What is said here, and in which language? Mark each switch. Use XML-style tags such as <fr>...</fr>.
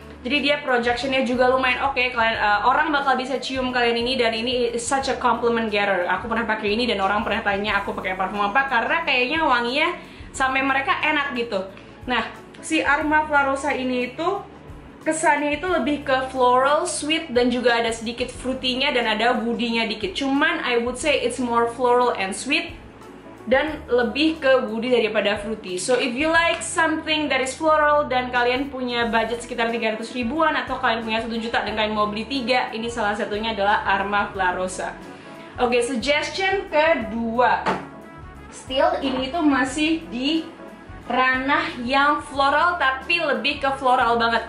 <id>Jadi dia projectionnya juga lumayan oke, orang bakal bisa cium kalian ini, dan ini</id> <en>such a compliment getter.</en> <id>Aku pernah pakai ini dan orang pernah tanya aku pakai parfum apa, karena kayaknya wanginya sampai mereka enak gitu. Nah, si Armaf La Rosa ini itu kesannya itu lebih ke floral, sweet, dan juga ada sedikit fruity-nya dan ada woody-nya dikit.</id> <en>Cuman I would say it's more floral and sweet,</en> <id>dan lebih ke woody daripada fruity.</id> <en>So if you like something that is floral</en> <id>dan kalian punya budget sekitar 300 ribuan, atau kalian punya 1 juta dan kalian mau beli 3, ini salah satunya adalah Armaf La Rosa. Oke, okay, suggestion kedua. Still, ini itu masih di ranah yang floral, tapi lebih ke floral banget.</id>